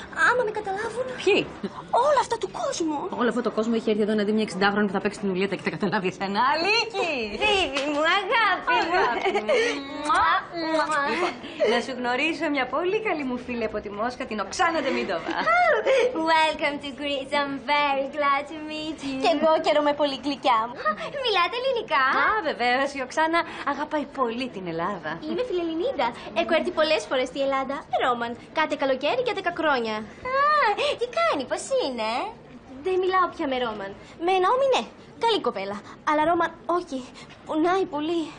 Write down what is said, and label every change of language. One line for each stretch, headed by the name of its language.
Greek: Άμα με καταλάβουν. Ποιοι? Όλο αυτό το κόσμο. Όλο αυτό το κόσμο έχει έρθει εδώ να δει μια 60χρονη που θα παίξει την Ιουλιέτα και θα καταλάβει εσένα. Αλίκη! Φίμπη μου, αγάπη μου. Να σου γνωρίσω μια πολύ καλή μου φίλη από τη Μόσχα, την Οξάνα Ντεμίτοβα.
English: Welcome to Greece, I'm very glad to meet you.
Greek: Και εγώ καιρόμαι πολύ, γλυκιά μου. Μιλάτε ελληνικά? Α, βεβαίως, η Οξάνα αγαπάει πολύ την Ελλάδα. Είμαι φιλελληνίδα. Έχω έρθει πολλές φορές στη Ελλάδα. Ρόμαν, κάθε καλοκαίρι για 10 χρόνια. Α, τι κάνει, πώς είναι? Δεν μιλάω πια με Ρόμαν. Με Ναόμι, ναι. Καλή κοπέλα. Αλλά Ρόμαν, όχι. Πονάει πολύ.